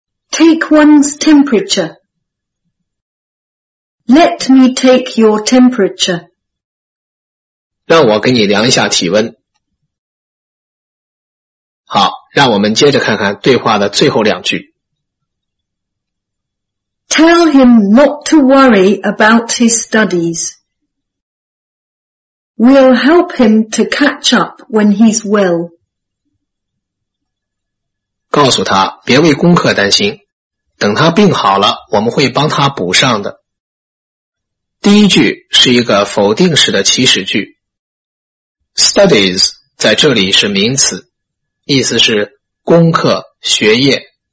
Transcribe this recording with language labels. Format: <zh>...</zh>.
<en>Take one's temperature. Let me take your temperature.</en> <zh>让我给你量一下体温。好，让我们接着看看对话的最后两句。</zh> <en>Tell him not to worry about his studies. We'll help him to catch up when he's well.</en> <zh>告诉他别为功课担心，等他病好了，我们会帮他补上的。第一句是一个否定式的祈使句。Studies 在这里是名词，意思是功课、学业。</zh>